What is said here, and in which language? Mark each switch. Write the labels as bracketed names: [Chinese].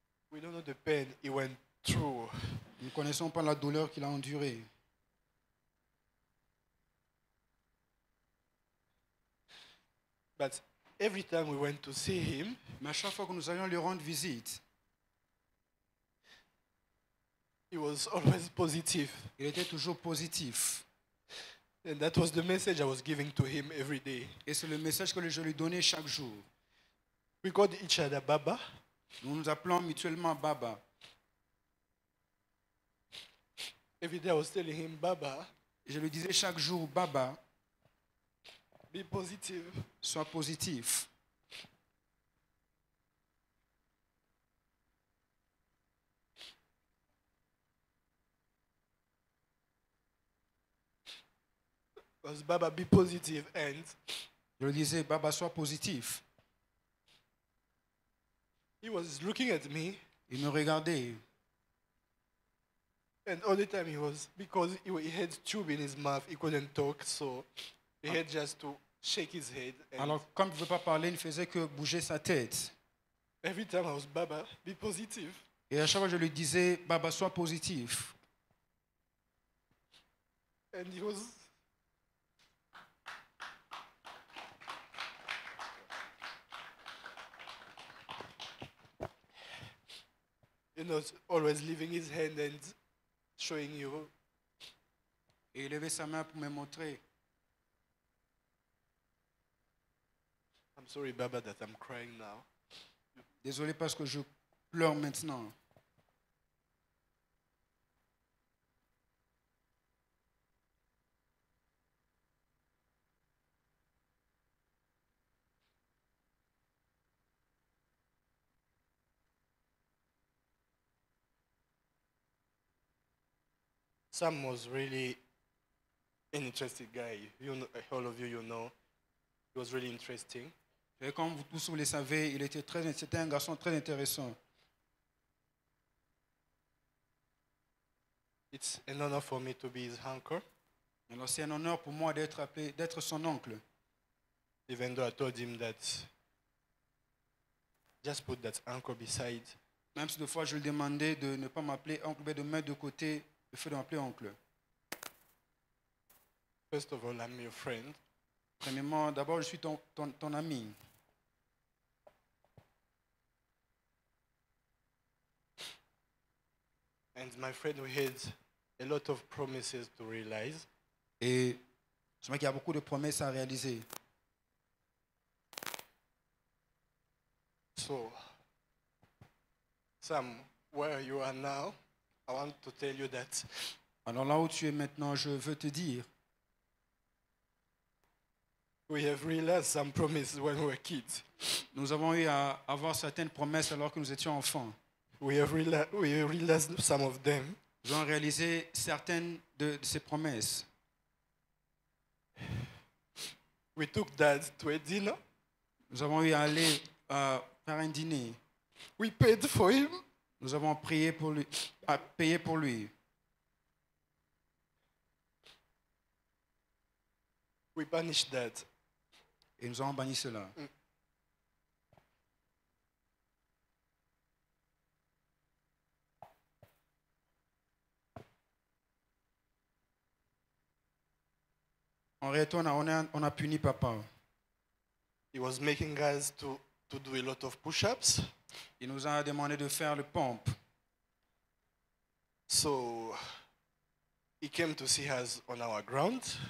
[English] We don't know the pain he went through. [French] Nous ne connaissons pas la douleur qu'il a endurée. [English] But every time we went to see him, [French] mais à chaque fois que nous allions lui rendre visite, [English] he was always positive. [French] Il était toujours positif. [English] And that was the message I was giving to him every day. [French] Et c'est le message que je lui donnais chaque jour. [English] We called each other Baba. [French] Nous nous appelons mutuellement Baba. [English] Every day I was telling him, Baba. [French] Je lui disais chaque jour, Baba. [English] Be positive. [French] Sois positif. [English] Was Baba be positive and? [French] Je lui disais, Baba, sois positif. [English] He was looking at me. [French] Il me regardait. [English] And all the time he was, because he had tube in his mouth, he couldn't talk, so he had just to shake his head. [French] Alors, comme il ne pouvait pas parler, il ne faisait que bouger sa tête. [English] Every time I was, Baba, be positive. [French] Et à chaque fois, je lui disais, Baba, sois positif. [English] And he was. You know, always leaving his hand and showing you. [French] Et il levait sa main pour me montrer. [English] I'm sorry, Baba, that I'm crying now. [French] Désolé parce que je pleure maintenant. [English] Sam was really an interesting guy. You know, all of you, you know, he was really interesting. [French] Et comme vous tous vous le savez, il était très, c'était un garçon très intéressant. [English] It's an honor for me to be his uncle. [French] Alors c'est un honneur pour moi d'être appelé, d'être son oncle. [English] Even though I told him that, just put that uncle beside. [French] Même si deux fois je lui demandais de ne pas m'appeler oncle, mais de mettre de côté le fait de m'appeler oncle. [English] First of all, I'm your friend. [French] Premièrement, d'abord, je suis ton ami. [English] And my friend, we had a lot of promises to realize. [French] Et je vois qu'il y a beaucoup de promesses à réaliser. [English] So, Sam, where you are now, I want to tell you that. [French] Alors là où tu es maintenant, je veux te dire. [English] We have realized some promises when we were kids. [French] Nous avons eu à avoir certaines promesses alors que nous étions enfants. [English] We have realized some of them. [French] Nous avons réalisé certaines de ces promesses. [English] We took dad to a dinner. [French] Nous avons eu à aller faire un dîner. [English] We paid for him. [French] Nous avons prié pour lui, à payer pour lui. [English] We banished dad. [French] Et nous avons banni cela. En retourne, on a puni papa. [English] He was making us to do a lot of push-ups. [French] Il nous a demandé de faire le pump. [English] So he came to see us on our ground.